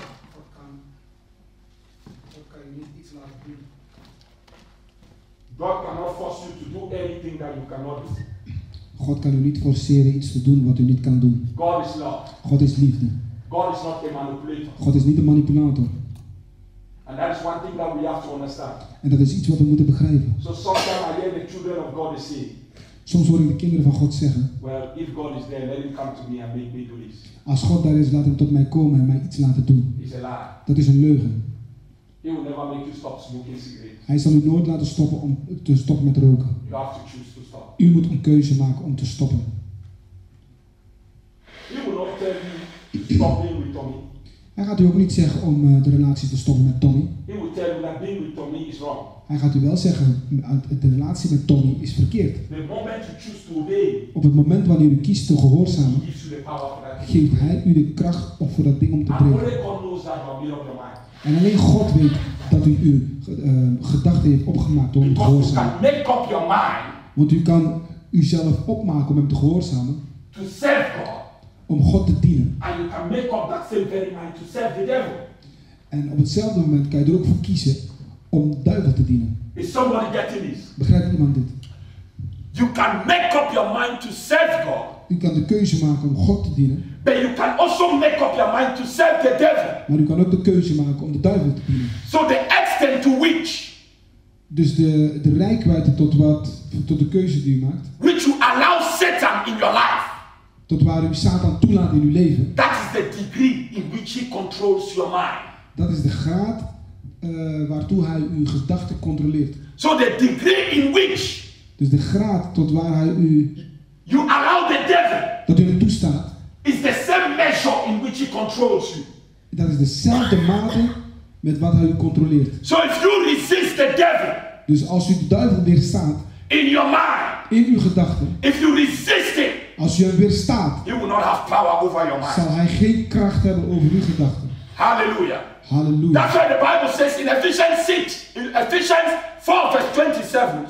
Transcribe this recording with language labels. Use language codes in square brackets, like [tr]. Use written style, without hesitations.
[nl] God kan niet iets laten doen. [en] God cannot force you to do anything that you cannot do. [nl] God kan u niet forceren iets te doen wat u niet kan doen. [en] God is love. [nl] God is liefde. [en] God is not a manipulator. [nl] God is niet een manipulator. [en] And that is one thing that we have to understand. [nl] En dat is iets wat we moeten begrijpen. [en] So sometimes I hear the children of God say, [nl] soms horen de kinderen van God zeggen. [en] Well, if God is there, let him come to me and make me do this. [nl] Als God daar is, laat hem tot mij komen en mij iets laten doen. [en] It's a lie. [nl] Dat is een leugen. [en] He will never make you stop smoking cigarettes. [nl] Hij zal u nooit laten stoppen om te stoppen met roken. [en] You have to choose to stop. [nl] U moet een keuze maken om te stoppen. [en] He will not tell you to stop being with Tommy. [nl] Hij gaat u ook niet zeggen om de relatie te stoppen met Tommy. [en] He will tell you that being with Tommy is wrong. [nl] Hij gaat u wel zeggen, de relatie met Tommy is verkeerd. [en] The moment you choose to obey, [nl] op het moment wanneer u kiest te gehoorzamen, [en] gives you the power for that thing. [nl] Geeft hij u de kracht om voor dat ding om te breken. [en] And only God knows that from your mind. [nl] En alleen God weet dat u uw gedachten heeft opgemaakt door [en] Because [nl] hem te gehoorzamen. [en] You can make up your mind. [nl] Want u kan uzelf opmaken om hem te gehoorzamen. [en] To serve God. [nl] Om God te dienen. [en] And you can make up that same very mind to serve the devil. [nl] En op hetzelfde moment kan je er ook voor kiezen om duivel te dienen. [en] Is somebody getting this? [nl] Begrijpt iemand dit? [en] You can make up your mind to serve God. [nl] U kan de keuze maken om God te dienen. [en] But you can also make up your mind to serve the devil. [nl] Maar u kan ook de keuze maken om de duivel te dienen. [en] So the extent to which. [nl] Dus de reikwijdte tot de keuze die u maakt. [en] Which you allow Satan in your life. [nl] Tot waar u Satan toelaat in uw leven. [en] That is the degree in which he controls your mind. [nl] Dat is de graad waartoe hij uw gedachten controleert. [en] So the degree in which. [nl] Dus de graad tot waar hij u. [en] You allow the devil. [nl] Dat u hem toestaat. [en] Is the same measure in which he controls you. [nl] Dat is dezelfde mate met wat hij u controleert. [en] So if you resist the devil. [nl] Dus als u de duivel weerstaat. [en] In your mind. [nl] In uw gedachten. [en] If you resist it. [nl] Als u hem weerstaat, [en] he will not have power over your mind. [nl] Zal hij geen kracht hebben over uw gedachten. Halleluja. Halleluja. [en] That's why the Bible says in Ephesians 6, in Ephesians 4, verse 27.